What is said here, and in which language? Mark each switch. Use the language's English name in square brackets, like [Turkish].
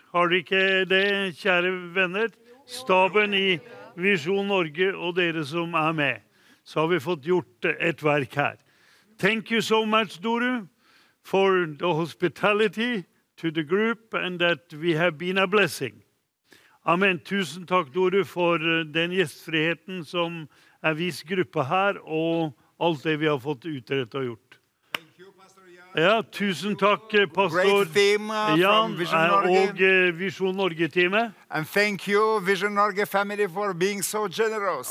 [Norwegian] Har du ikke det, kjære venner? Staben i Visjon Norge og dere som med. Så har vi fått gjort et verk her. [English] Thank you so much, Doru, for the hospitality to the group and that we have been a blessing. Amen. [Norwegian] Tusen takk, Doru, for den gjestfriheten som vis gruppe her, og alt det vi har fått utrettet og gjort. Ja, tusen takk, Pastor Jan, og Visjon Norge-teamet. [English] And thank you, Visjon Norge family, for being so generous.